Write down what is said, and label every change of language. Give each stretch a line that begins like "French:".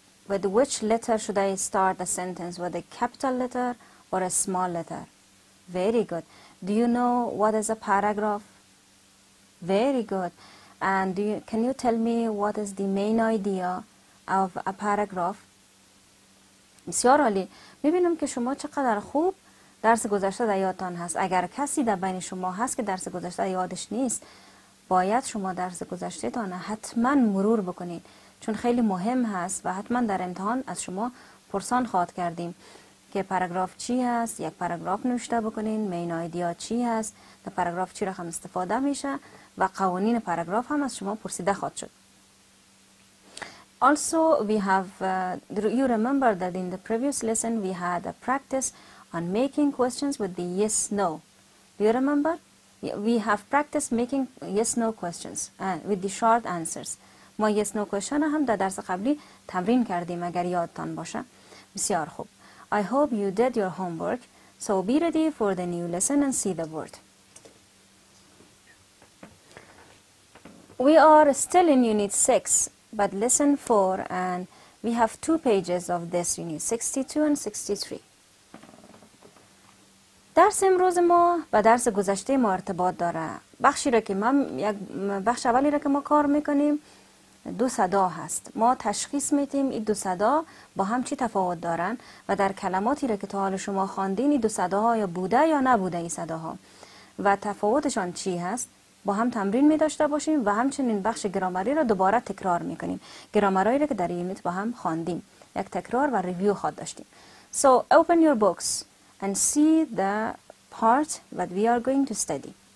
English: With which letter should I start the sentence? With a capital letter or a small letter? Very good. Do you know what is a paragraph? Very good. And can you tell me what is the main idea of a paragraph?
Persian: بسیار عالی. میبینم که شما چقدر خوب درس گذشته در یادتان هست. اگر کسی در بین شما هست که درس گذشته یادش نیست، باید شما درس گذشته تان حتما مرور بکنید. چون خیلی مهم هست و حتما در امتحان از شما پرسان خواهد کردیم که پاراگراف چی هست، یک پاراگراف نوشته بکنین، مین آیدیا چی هست، در پاراگراف چی رقم استفاده میشه و قوانین پاراگراف هم از شما پرسیده خواهد شد.
English: Also we have you remember that in the previous lesson we had a practice on making questions with the yes no. Do you remember? We have practiced making yes no questions and with the short answers.
Persian: ما
English: yes no question
Persian: هم در درس قبلی تمرین کردیم اگر یادتان باشه. بسیار خوب.
English: I hope you did your homework, so be ready for the new lesson and see the board. We are still in Unit 6, but Lesson 4, and we have two pages of this unit, 62 and 63.
Persian: درس امروز ما با درس گذشته ما ارتباط داره. بخشی را که ما یک بخش اولی را که ما کار میکنیم دو صدا هست. ما تشخیص میدیم این دو صدا با هم چی تفاوت دارن و در کلماتی را که تا حال شما خواندین این دو صدا ها یا بوده یا نبوده این صدا ها و تفاوتشان چی هست با هم تمرین میداشته باشیم و همچنین بخش گرامری را دوباره تکرار میکنیم. گرامرهایی را که در یونیت با هم خواندیم یک تکرار و ریویو خواهد داشتیم.
English: So open your books and see the part that we are going to study.